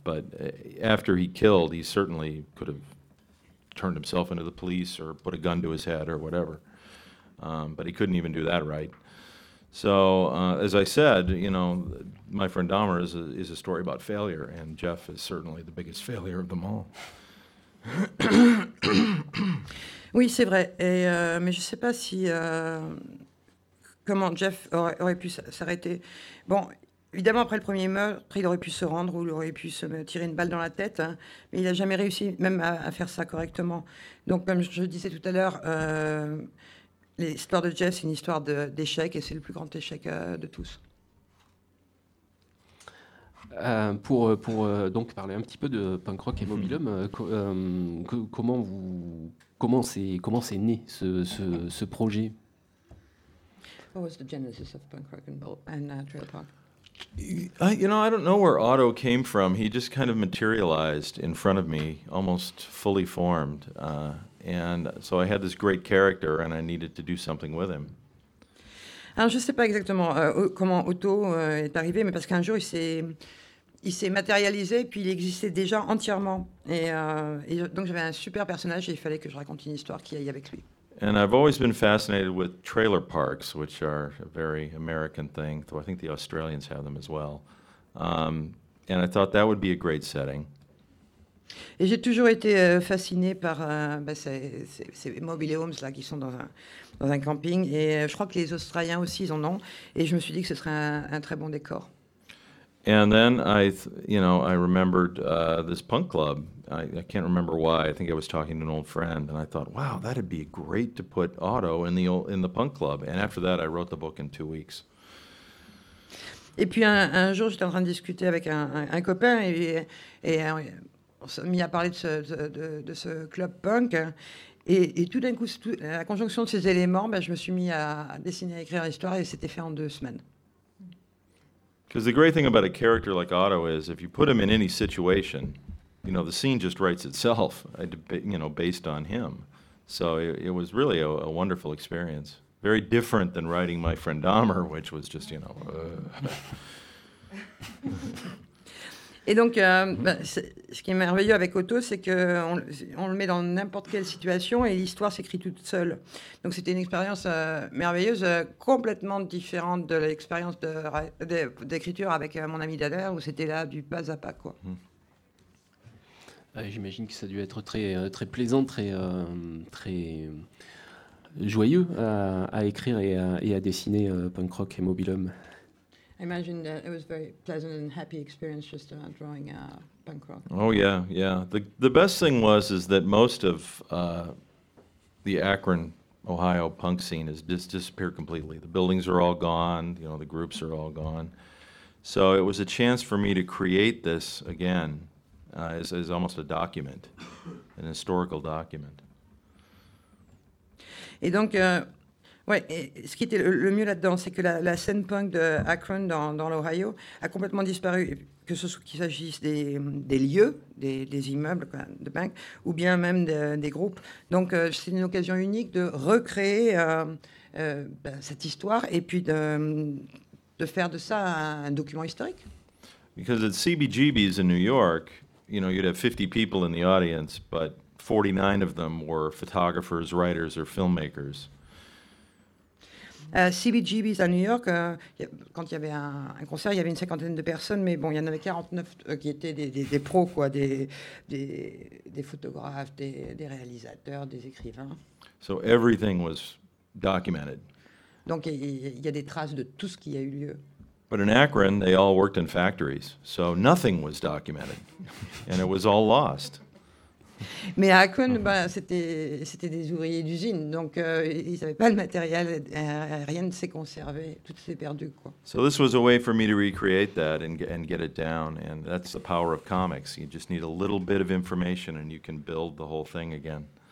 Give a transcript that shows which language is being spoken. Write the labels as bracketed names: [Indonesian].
[English] But after he killed, he certainly could have turned himself into the police or put a gun to his head or whatever. But he couldn't even do that right. So as I said, you know, My Friend Dahmer is a story about failure, and Jeff is certainly the biggest failure of them all. [French] Oui, c'est vrai. Mais je sais pas si comment Jeff aurait pu s'arrêter. Bon. Évidemment, après le premier meurtre, il aurait pu se rendre ou il aurait pu se tirer une balle dans la tête, hein, mais il n'a jamais réussi même à faire ça correctement. Donc, comme je disais tout à l'heure, l'histoire de Jeff, c'est une histoire d'échec et c'est le plus grand échec de tous. Pour parler un petit peu de Punk Rock et Mobilhome, comment c'est né ce projet? [English] What was the genesis of Punk Rock and Trailer Park? I don't know where Otto came from. He just kind of materialized in front of me, almost fully formed. And so I had this great character, and I needed to do something with him. [French] Alors, je ne sais pas exactement comment Otto est arrivé, mais parce qu'un jour, il s'est matérialisé, puis il existait déjà entièrement. Et donc, j'avais un super personnage, et il fallait que je raconte une histoire qui aille avec lui. [English] And I've always been fascinated with trailer parks, which are a very American thing, though I think the Australians have them as well. And I thought that would be a great setting. [French] Et j'ai toujours été fasciné par ces mobile homes là qui sont dans un camping. Et je crois que les Australiens aussi ils en ont. Et je me suis dit que ce serait un très bon décor. [English] And then I remembered this punk club. I can't remember why. I think I was talking to an old friend, and I thought, wow, that'd be great to put Otto in the punk club. And after that, I wrote the book in 2 weeks. [French] Et puis un jour, j'étais en train de discuter avec un copain, et on s'est mis à parler de ce club punk. Et tout d'un coup, la conjonction de ces éléments, je me suis mis à dessiner, à écrire l'histoire, et c'était fait en 2 semaines. [English] Because the great thing about a character like Otto is, if you put him in any situation, you know, the scene just writes itself, based on him. So it was really a wonderful experience. Very different than writing My Friend Dahmer, which was just, you know. [French] Et donc, ce qui est merveilleux avec Otto, c'est qu'on le met dans n'importe quelle situation et l'histoire s'écrit toute seule. Donc, c'était une expérience merveilleuse, complètement différente de l'expérience d'écriture avec mon ami Dader, où c'était là du pas à pas, quoi. Ah, j'imagine que ça a dû être très, très plaisant, très, très joyeux à écrire et à dessiner Punk Rock et Mobilum. [English] Imagine that it was a very pleasant and happy experience just drawing Punk Rock. Oh yeah, yeah. The best thing was is that most of the Akron, Ohio punk scene has disappeared completely. The buildings are all gone, you know, the groups are all gone. So it was a chance for me to create this again as almost a document, an historical document. [French] Et donc ouais, et ce qui était le mieux là-dedans, c'est que la scène punk de Akron dans l'Ohio a complètement disparu, que ce soit qu'il s'agisse des lieux, des immeubles quoi, de punk, ou bien même des groupes. Donc c'est une occasion unique de recréer cette histoire et puis de faire de ça un document historique. [English] Because at CBGB's in New York, you know, you'd have 50 people in the audience, but 49 of them were photographers, writers, or filmmakers. [French] CBGB's à New York, quand il y avait un concert, il y avait une cinquantaine de personnes, mais bon, il y en avait 49 qui étaient des pros, quoi, des photographes, des réalisateurs, des écrivains. [English] So everything was documented. [French] Donc il y a des traces de tout ce qui a eu lieu. [English] But in Akron, they all worked in factories, so nothing was documented, and it was all lost. [French] Mais à Akron, c'était des ouvriers d'usine, donc ils n'avaient pas le matériel, rien ne s'est conservé, tout s'est perdu, quoi. [English] So this was a way for me to recreate that and get it down, and that's the power of comics. You just need a little bit of information and you can build the whole thing again.